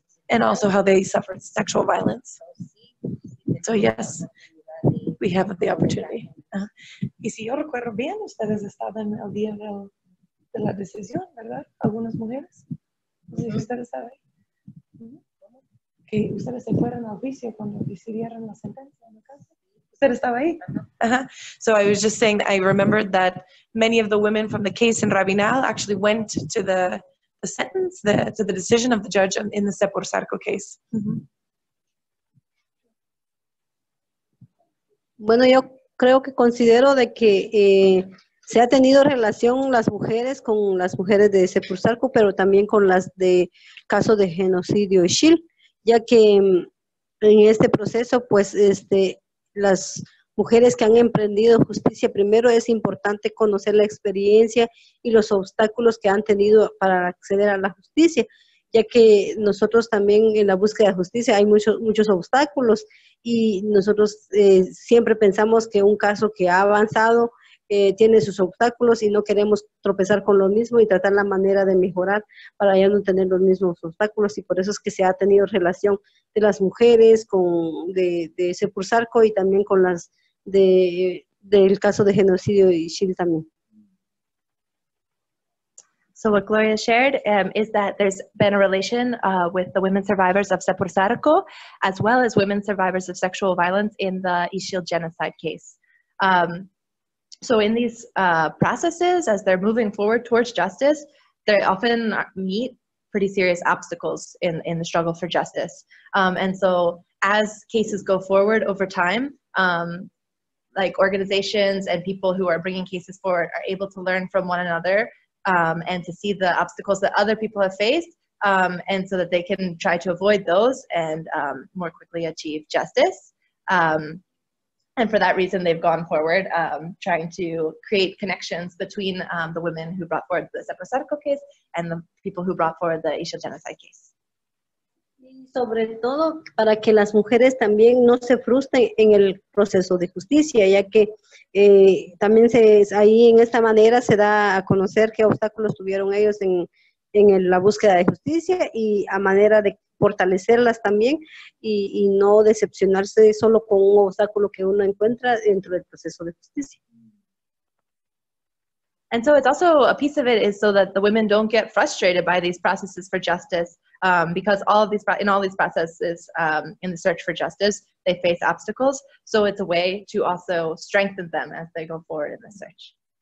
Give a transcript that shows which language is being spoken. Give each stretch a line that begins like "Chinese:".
English: And also how they suffered sexual violence. So yes, we have the opportunity.
Spanish: Y si yo recuerdo bien, ustedes estaban el día de la decisión, ¿verdad? Algunas mujeres. ¿Ustedes saben? Que ustedes se fueron al juicio cuando decidieron la sentencia en la casa.
English: So I was just saying, I remembered that many of the women from the case in Rabinal actually went to the sentence, to the decision of the judge in the Sepozarco case.
Spanish: Bueno, yo creo que considero de que se ha tenido relación las mujeres con las mujeres de Sepozarco, pero también con las de caso de genocidio Xil, ya que en este proceso, pues, las mujeres que han emprendido justicia, primero es importante conocer la experiencia y los obstáculos que han tenido para acceder a la justicia, ya que nosotros también en la búsqueda de justicia hay muchos obstáculos y nosotros siempre pensamos que un caso que ha avanzado tiene sus obstáculos y no queremos tropezar con lo mismo y tratar la manera de mejorar para ya no tener los mismos obstáculos y por eso es que se ha tenido relación de las mujeres con de Sepozarco y también con las del caso de genocidio y Xil también.
English: So what Gloria shared is that there's been a relation with the women survivors of Sepozarco as well as women survivors of sexual violence in the Xil genocide case. So in these processes, as they're moving forward towards justice, they often meet pretty serious obstacles in the struggle for justice. And so as cases go forward over time, like organizations and people who are bringing cases forward are able to learn from one another and to see the obstacles that other people have faced and so that they can try to avoid those and more quickly achieve justice. And for that reason, they've gone forward trying to create connections between the women who brought forward the Sepozarco case and the people who brought forward the Xil genocide case.
Spanish: Y sobre todo para que las mujeres también no se frustren en el proceso de justicia, ya que también ahí en esta manera se da a conocer qué obstáculos tuvieron ellos en la búsqueda de justicia y a manera de fortalecerlas también y no decepcionarse solo con un obstáculo que uno encuentra dentro del proceso de justicia.
English: And so it's also a piece of it is so that the women don't get frustrated by these processes for justice because all these processes in the search for justice, they face obstacles. So it's a way to also strengthen them as they go forward in the search.